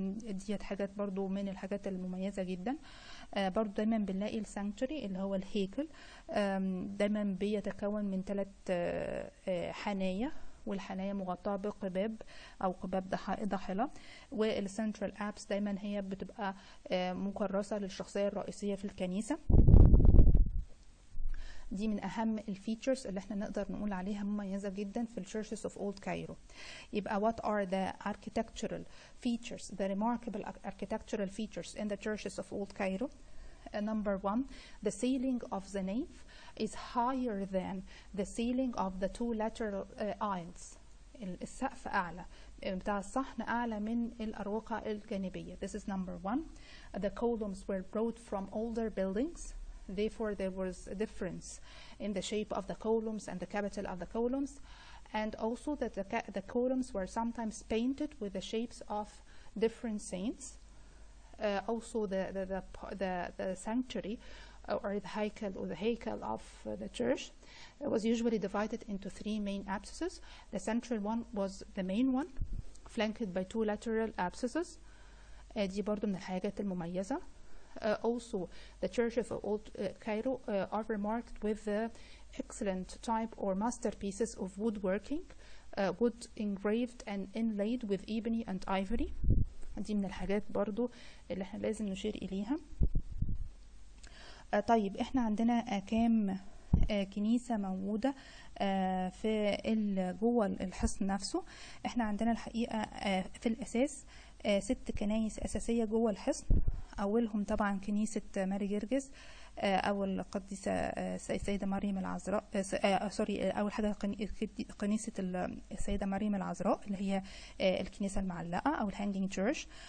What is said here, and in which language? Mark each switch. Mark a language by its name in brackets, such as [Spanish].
[Arabic] دي حاجات برضو من الحاجات المميزة جدا. برضو دايما بنلاقي السانكتوري اللي هو الهيكل، دايما بيتكون من ثلاث حنايا، والحناية مغطاة بقباب أو قباب ضاحلة، والسنترال أبس دايما هي بتبقى مكرسة للشخصية الرئيسية في الكنيسة. دي من اهم الفيتشرز اللي احنا نقدر نقول عليها مميزه جدا في [English] الشيرشز of old Cairo. [Arabic] يبقى [English] what are the architectural features, the remarkable architectural features in the churches of old Cairo? Number one, the ceiling of the nave is higher than the ceiling of the two lateral aisles. [Arabic] السقف أعلى بتاع الصحن أعلى من الأروقة الجانبية. [English] This is number one. The columns were brought from older buildings. Therefore, there was a difference in the shape of the columns and the capital of the columns. And also that the columns were sometimes painted with the shapes of different saints. Also the sanctuary or the haikal or the haikal of the church was usually divided into three main abscesses. The central one was the main one, flanked by two lateral abscesses. [Arabic] دي برضو من الحاجات المميزة. [English] Also the churches of old Cairo are remarked with the excellent type or masterpieces of woodworking, wood engraved and inlaid with ebony and ivory. [Arabic] دي من الحاجات برضو اللي احنا لازم نشير اليها. طيب احنا عندنا كام كنيسة موجودة في جوه الحصن نفسه. احنا عندنا الحقيقة في الاساس ست كنائس اساسية جوه الحصن. اولهم طبعا كنيسة ماري جرجس او القديسة السيدة مريم العذراء، سوري اول حاجة كنيسة السيدة مريم العذراء اللي هي الكنيسة المعلقة او الهانجينج تشيرش.